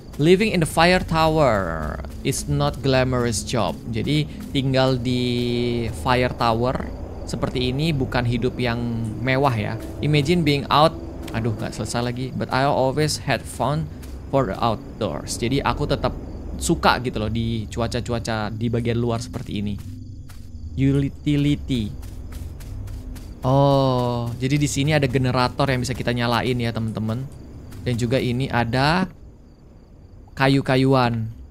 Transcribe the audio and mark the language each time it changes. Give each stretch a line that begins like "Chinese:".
English: Living in the fire tower is not glamorous job.
Indonesian: Jadi tinggal di fire tower seperti ini bukan hidup yang mewah ya.
English: Imagine being out.
Indonesian: Aduh, gak selesai lagi.
English: But I always had fun for the outdoors.
Indonesian: Jadi aku tetap suka gitu loh di cuaca-cuaca di bagian luar seperti ini. Utility. Oh, jadi di sini ada generator yang bisa kita nyalain ya teman-teman. Dan juga ini ada kayu-kayuan.